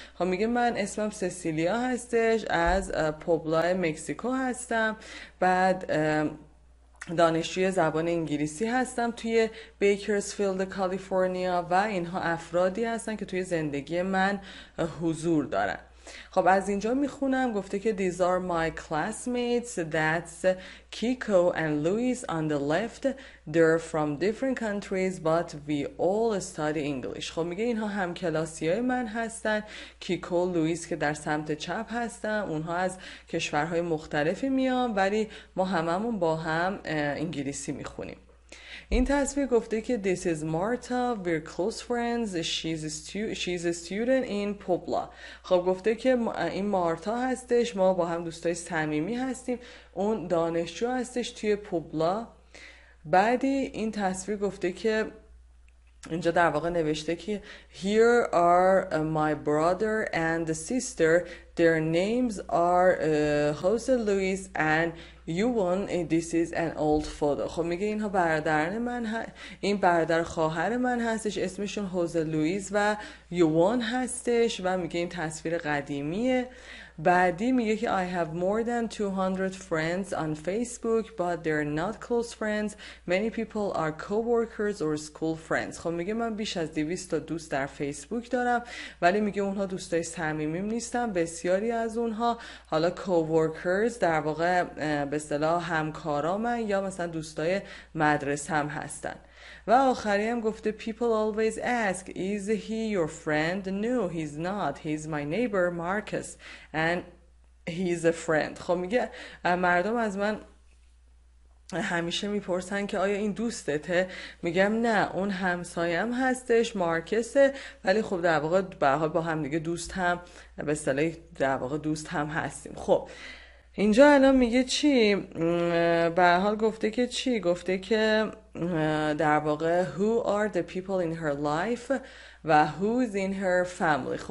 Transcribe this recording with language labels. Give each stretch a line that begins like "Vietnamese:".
Persian: خب میگه من اسمم سیسیلیا هستش، از پوبلا مکزیکو هستم، بعد دانشجوی زبان انگلیسی هستم توی بیکرزفیلد کالیفرنیا و اینها افرادی هستن که توی زندگی من حضور دارن. خب از اینجا میخونم، گفته که
English: these are my classmates, that's Kiko and Luis on the left, they're from different countries but we all study English.
Persian: خب میگه اینها همکلاسی های من هستن، کیکو و لویس که در سمت چپ هستن، اونها از کشورهای مختلفی میان ولی ما هممون با هم انگلیسی میخونیم. این تصویر گفته که
English: this is Marta, we're close friends, she's a student in Puebla.
Persian: خب گفته که این مارتا هستش، ما با هم دوستای صمیمی هستیم، اون دانشجو هستش توی پوبلا. بعدی این تصویر گفته که اینجا در واقع نوشته که
English: here are my brother and sister, their names are Jose Luis and you want this is an old photo.
Persian: خب میگه اینها برادران من این برادر خواهر من هستش، اسمشون هوزه لوئیس و یوان هستش و میگه این تصویر قدیمیه. بعدی میگه که
English: I have more than 200 friends on Facebook but they're not close friends, many people are co-workers or school friends.
Persian: خب میگه من بیش از 200 تا دوست در فیسبوک دارم ولی میگه اونها دوستای صمیمیم نیستن، بسیاری از اونها حالا co-workers در واقع به اصطلاح همکارام یا مثلا دوستای مدرسه هم هستن. و آخری هم گفته
English: people always ask is he your friend? No, he's not. He's my neighbor Marcus and he's a friend.
Persian: خب میگه مردم از من همیشه میپرسن که آیا این دوستته؟ میگم نه، اون همسایم هستش، مارکسه، ولی خب در واقع به حال با هم دیگه دوست هم به اصطلاح در واقع دوست هم هستیم. خب اینجا الان میگه چی؟ به حال گفته که چی؟ گفته که در واقع
English: who are the people in her life
Persian: و
English: who's in her family.